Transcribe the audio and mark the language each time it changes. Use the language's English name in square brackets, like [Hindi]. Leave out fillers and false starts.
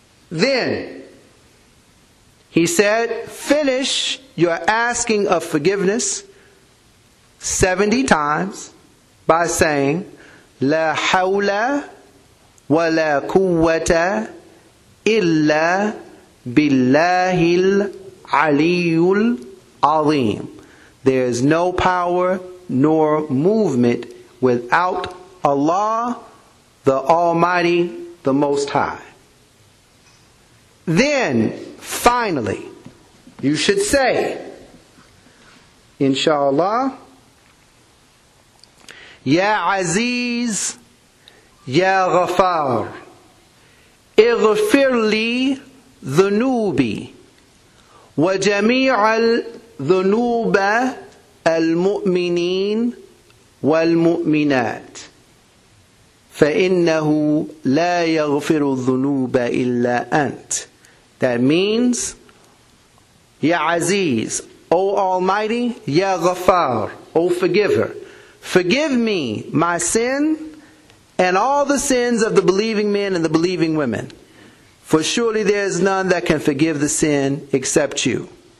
[English] Then, he said, finish your asking of forgiveness 70 times by saying, [Arabic] La hawla wa la quwwata illa billahil aliyul azim. [English] There is no power nor movement without Allah, the Almighty, the Most High. Then, finally, you should say, inshallah, [Arabic] Ya Aziz, Ya Ghafar, اغفر لي ذنوبي وجميع الذنوب المؤمنين والمؤمنات فإنه لا يغفر الذنوب إلا أنت. [English] That means, Ya Aziz, O Almighty, Ya Ghafar, O Forgiver, forgive me my sin and all the sins of the believing men and the believing women. For surely there is none that can forgive the sin except you.